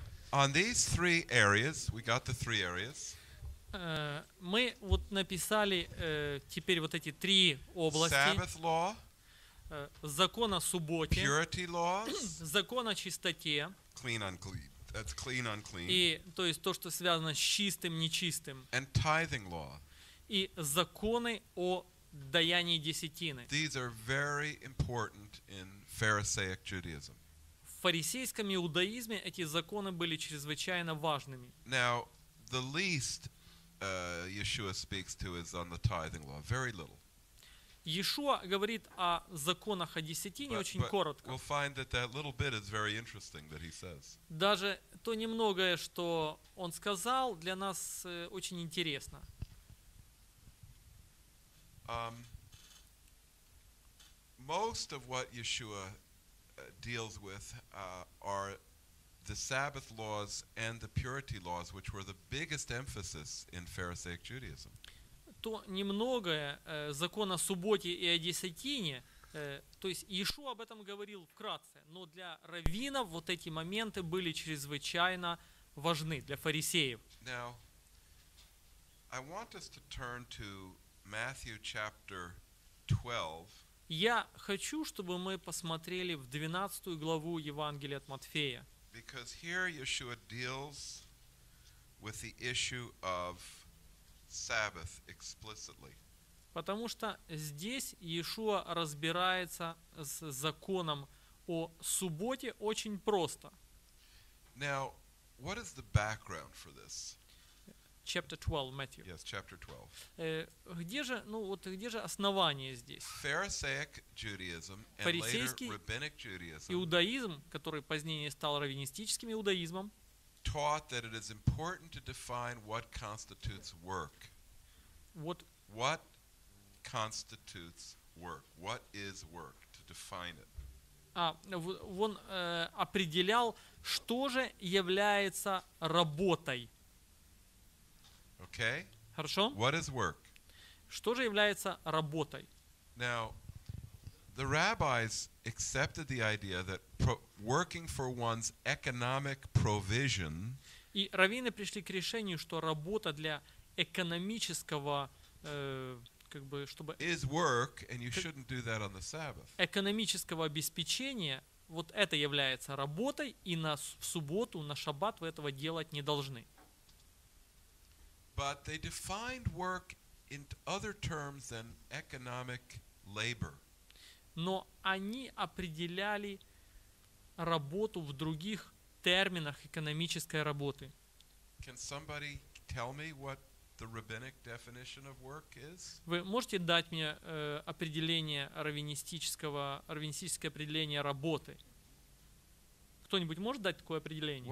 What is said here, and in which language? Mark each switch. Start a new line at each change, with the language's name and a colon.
English: On these three areas, we got the three areas.
Russian: Мы вот написали теперь вот эти три области.
English: Sabbath law.
Russian: Закон о субботе.
English: Purity laws.
Russian: Закон о чистоте.
English: Clean unclean. That's clean unclean.
Russian: И то есть то, что связано с чистым нечистым.
English: And tithing law.
Russian: И законы о даянии десятины.
English: These are very important in Pharisaic Judaism.
Russian: В фарисейском иудаизме эти законы были чрезвычайно важными.
English: Now, the least Yeshua speaks to is on the tithing law, very little.
Russian: Yeshua говорит о законах о десятине очень коротко.
English: We'll find that that little bit is very interesting that he says.
Russian: Даже то немногое, что он сказал, для нас очень интересно.
English: Most of what Yeshua deals with are the Sabbath laws and the purity laws, which were the biggest emphasis in Pharisaic Judaism.
Russian: То немногое закон о субботе и о десятине, то есть Иешуа об этом говорил вкратце, но для раввинов вот эти моменты были чрезвычайно важны, для фарисеев.
English: Now, I want us to turn to Matthew chapter 12.
Russian: Я хочу, чтобы мы посмотрели в 12 главу Евангелия от Матфея.
English: Because here Yeshua deals with the issue of Sabbath explicitly.
Russian: Потому что здесь Иешуа разбирается с законом о субботе очень просто.
English: Now, what is the background for this? Chapter 12, Matthew. Yes, chapter 12.
Russian: Где же, ну вот где же основание здесь?
English: Pharisaic Judaism and later rabbinic Judaism.
Russian: Иудаизм, который позднее стал раввинистическим иудаизмом.
English: Taught that it is important to define what constitutes work. What constitutes work? What is work? To define it.
Russian: А, он определял, что же является работой.
English: Okay.
Russian: Хорошо.
English: What is work?
Russian: Что же является работой?
English: Now, the rabbis accepted the idea that working for one's economic provision.
Russian: И раввины пришли к решению, что работа для экономического как бы, чтобы
English: is work, and you shouldn't do that on the Sabbath.
Russian: Экономического обеспечения вот это является работой, и на в субботу, на шаббат вы этого делать не должны.
English: But they defined work in other terms than economic labor.
Russian: Но они определяли работу в других терминах экономической работы.
English: Can somebody tell me what the rabbinic definition of work is?
Russian: Вы можете дать мне определение раввинистическое определение работы? Кто-нибудь может дать такое определение?